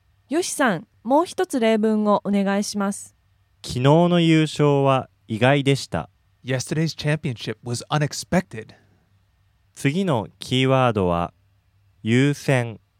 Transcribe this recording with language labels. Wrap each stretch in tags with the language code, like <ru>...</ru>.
<ja>Yoshi さん、もう一つ例文をお願いします。昨日の優勝は意外でした。</ja> <en>Yesterday's championship was unexpected.</en> <ja>次のキーワードは優先。</ja>